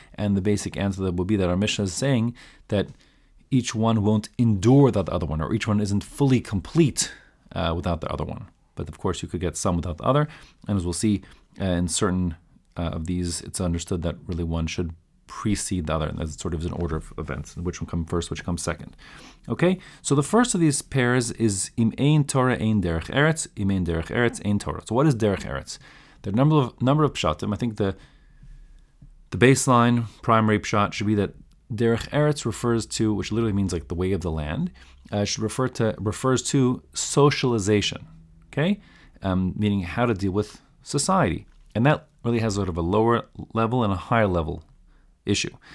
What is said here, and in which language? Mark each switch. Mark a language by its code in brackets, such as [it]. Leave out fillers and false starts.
[en] And the basic answer that would be that our Mishnah is saying that each one won't endure without the other one, or each one isn't fully complete without the other one. But of course, you could get some without the other. And as we'll see, in certain of these, it's understood that really one should precede the other, and that sort of is an order of events, which one comes first, which comes second. Okay, so the first of these pairs is [he] Im ein Torah ein derech eretz, Im ein derech eretz ein Torah. [en] So what is derech eretz? There are a number of pshatim. I think the baseline primary pshat should be that Derech Eretz refers to, which literally means like the way of the land, refers to socialization, okay? Meaning how to deal with society. And that really has sort of a lower level and a higher level issue.